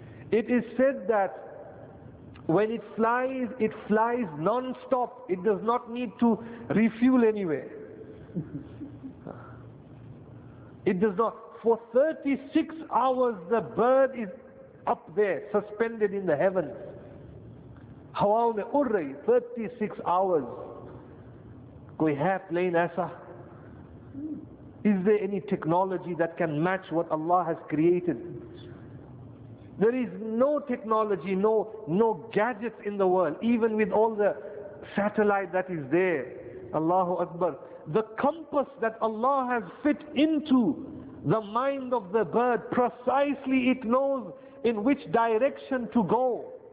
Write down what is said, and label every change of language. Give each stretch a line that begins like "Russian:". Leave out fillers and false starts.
English: It is said that when it flies non-stop. It does not need to refuel anywhere. It does not. For 36 hours, the bird is up there, suspended in the heavens.
Urdu: ہوا میں اڑ رہی،
English: 36 hours.
Urdu: کوئی ہے plane ایسا؟
English: Is there any technology that can match what Allah has created? There is no technology, no gadgets in the world, even with all the satellite that is there. Allahu Akbar. The compass that Allah has fit into the mind of the bird, precisely it knows in which direction to go.